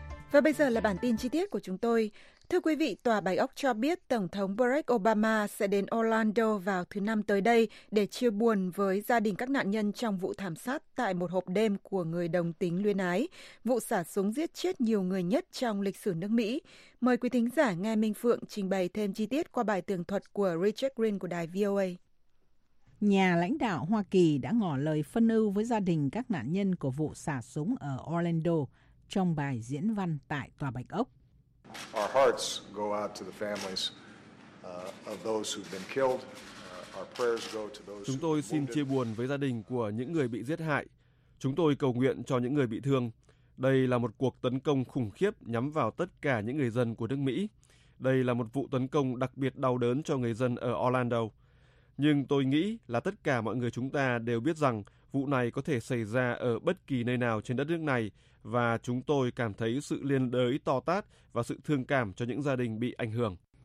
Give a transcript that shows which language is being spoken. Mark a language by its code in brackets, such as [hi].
[vi] Và bây giờ là bản tin chi tiết của chúng tôi. Thưa quý vị, Tòa Bạch Ốc cho biết Tổng thống Barack Obama sẽ đến Orlando vào thứ Năm tới đây để chia buồn với gia đình các nạn nhân trong vụ thảm sát tại một hộp đêm của người đồng tính luyến ái, vụ xả súng giết chết nhiều người nhất trong lịch sử nước Mỹ. Mời quý thính giả nghe Minh Phượng trình bày thêm chi tiết qua bài tường thuật của Richard Green của đài VOA. Nhà lãnh đạo Hoa Kỳ đã ngỏ lời phân ưu với gia đình các nạn nhân của vụ xả súng ở Orlando trong bài diễn văn tại Tòa Bạch Ốc. [en] Our hearts go out to the families of those who've been killed. Our prayers go to those. [vi] Chúng tôi xin chia buồn với gia đình của những người bị giết hại. Chúng tôi cầu nguyện cho những người bị thương. Đây là một cuộc tấn công khủng khiếp nhắm vào tất cả những người dân của nước Mỹ. Đây là một vụ tấn công đặc biệt đau đớn cho người dân ở Orlando. Nhưng tôi nghĩ là tất cả mọi người chúng ta đều biết rằng vụ này có thể xảy ra ở bất kỳ nơi nào trên đất nước này, và chúng tôi cảm thấy sự liên đới to tát và sự thương cảm cho những gia đình bị ảnh hưởng.